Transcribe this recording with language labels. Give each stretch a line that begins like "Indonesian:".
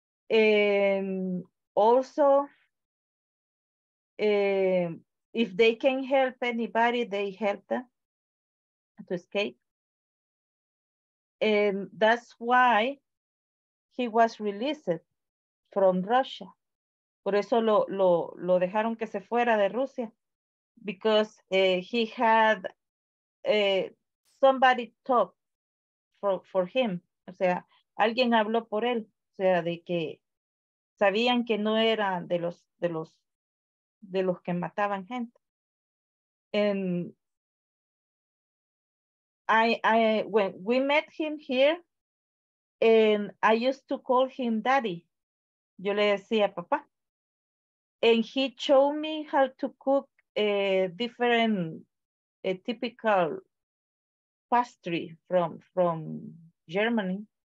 English: And also, if they can help anybody, they help them to escape. And that's why he was released from Russia.
Spanish: Por eso lo dejaron que se fuera de Rusia.
English: Because he had somebody talk for him.
Spanish: O sea, alguien habló por él. O sea, de que sabían que no era de los que mataban gente.
English: And I when we met him here, and I used to call him daddy.
Spanish: Yo le decía papá.
English: And he showed me how to cook different typical pastry from Germany.